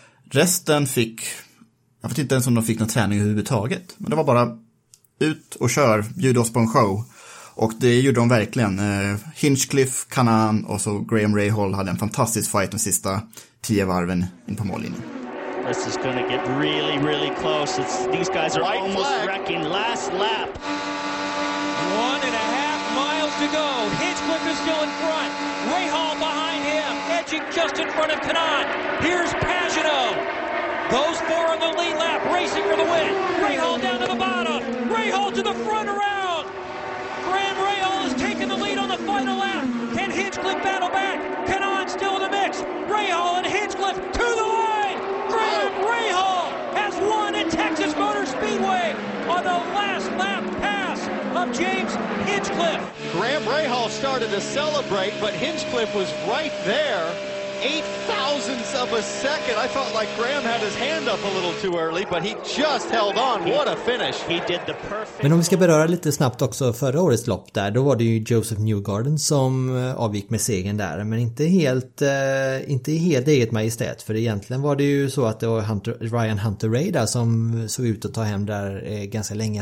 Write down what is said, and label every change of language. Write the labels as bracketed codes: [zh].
[sv] Resten fick, jag vet inte ens om de fick någon träning överhuvudtaget. Men det var bara ut och kör, bjuda oss på en show. Och det gjorde de verkligen. Hinchcliffe, Kanaan och så Graham Rahal hade en fantastisk fight de sista 10 varven in på mållinjen. [en] This is gonna get really, really close. These guys are white almost flag. Wrecking last lap. 1.5 miles to go. Hinchcliffe is still in front. Rahal behind him. Edging just in front of Kanaan. Here's Pagano. Those four on the lead lap racing for the win. Rahal down to the bottom. Rahal to the front around. Graham Rahal has taken the lead on the final lap. Can Hinchcliffe battle back? Kanaan still in the mix. Rahal and Hinchcliffe to the line. Graham Rahal has won at Texas Motor Speedway on the last lap pass of James Hinchcliffe. Graham Rahal started to celebrate, but Hinchcliffe was right there. 8 thousandths of a second. I felt like Graham had his hand up a little too early, but he just held on. What a finish. He did the perfect. [sv] Men om vi ska beröra lite snabbt också förra årets lopp där, då var det ju Joseph Newgarden som avgick med segern där, men inte helt eget majestät, för egentligen var det ju så att det var Ryan Hunter Ray där som såg ut att ta hem där ganska länge.